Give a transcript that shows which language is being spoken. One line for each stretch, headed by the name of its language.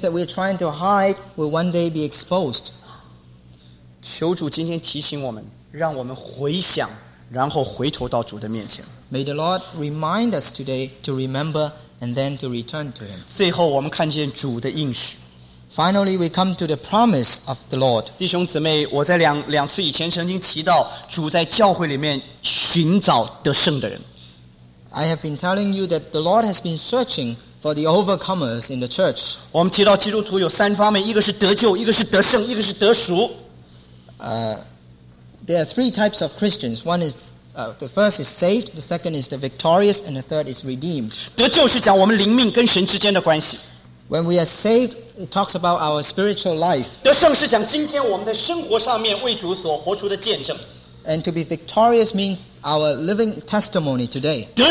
English: that we're trying to hide will one day be exposed.
Chinese: 求主今天提醒我们。让我们回想，然后回头到主的面前。
English: May the Lord remind us today to remember and then to return to Him.
Chinese: 最后，我们看见主的应许。
English: Finally, we come to the promise of the Lord.
Chinese: 弟兄姊妹，我在两次以前曾经提到主在教会里面寻找得胜的人。
English: I have been telling you that the Lord has been searching for the overcomers in the church.
Chinese: 我们提到基督徒有三方面，一个是得救，一个是得胜，一个是得赎。
English: There are three types of Christians. One is the first is saved, the second is the victorious, and the third is redeemed.
Chinese: 得救是讲我们灵命跟神之间的关系。
English: When we are saved, it talks about our spiritual life.
Chinese: 得胜是讲今天我们在生活上面为主所活出的见证。
English: And to be victorious means our living testimony today.